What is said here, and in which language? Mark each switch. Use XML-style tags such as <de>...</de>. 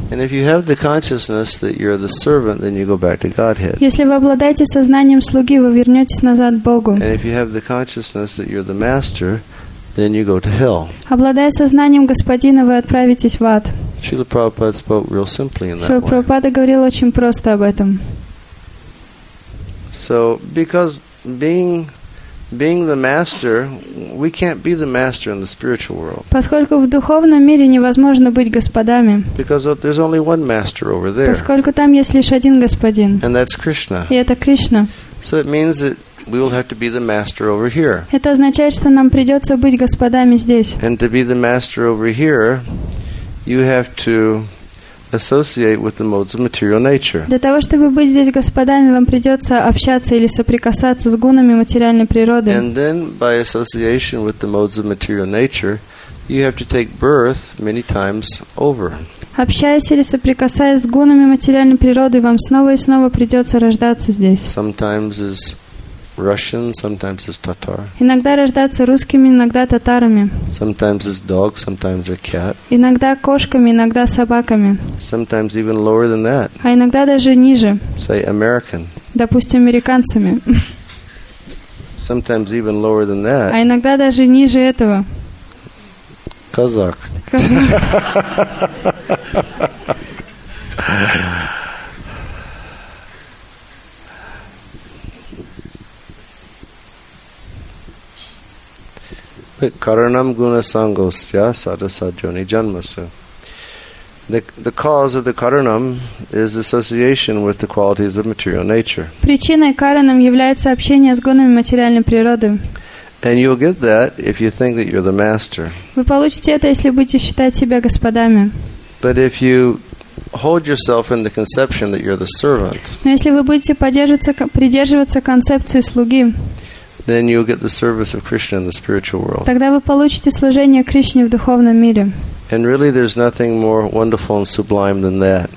<en>And if you have the consciousness that you're the servant, then you go back to Godhead.</en> <ru>Если вы обладаете сознанием слуги, вы вернетесь назад к Богу.</ru> <en>And if you have the consciousness that you're the master, then you go to hell.</en> <ru>Обладая сознанием господина, вы отправитесь в ад.</ru> <en>Srila Prabhupada spoke real simply in that</en> <ru>way. Srila Prabhupada говорил очень просто об этом.</ru> <en>So, because being the master, we can't be the master in the spiritual world.</en> <ru>Поскольку в духовном мире невозможно быть господами.</ru> <en>Because there's only one master over there.</en> <ru>Поскольку там есть лишь один господин.</ru> <en>And that's Krishna.</en> <ru>И это Кришна.</ru> <en>So it means that we will have to be the master over here.</en> <ru>Это означает, что нам придется быть господами здесь.</ru> <en>And to be the master over here, you have to associate with the modes of material nature.</en> <ru>Для того, чтобы быть здесь господами, вам придется общаться или соприкасаться с гунами материальной природы.</ru> <en>And then, by association with the modes of material nature, you have to take birth many times over.</en> <ru>Общаясь или соприкасаясь с гунами материальной природы, вам снова и снова придется рождаться здесь.</ru> <en>Sometimes as Russian, sometimes as Tatar.</en> <ru>Иногда рождаться русскими, иногда татарами.</ru> <en>Sometimes as dog, sometimes a cat.</en> <ru>Иногда кошками, иногда собаками.</ru> <en>Sometimes even lower than that.</en> <ru>А иногда даже ниже.</ru> <en>Say American.</en> <ru>Допустим, американцами.</ru> <en>Sometimes even lower than that.</en> <ru>А иногда даже ниже этого. Казак.</ru> <sa>Karanam guna sangosya sadasajoni janmasu.</sa> <en>The cause of the karanam is association with the qualities of material nature.</en> <ru>Причиной каранам является общение с гунами материальной природы.</ru> <en>And you'll get that if you think that you're the master.</en> <ru>Вы получите это, если будете считать себя господами.</ru> <en>But if you hold yourself in the conception that you're the servant.</en> <ru>Но если вы будете придерживаться концепции слуги.</ru> <en>Then you'll get the service of Krishna in the spiritual world.</en> <ru>Тогда вы получите служение Кришне в духовном мире.</ru> <en>And really, there's nothing more wonderful and sublime than that.</en>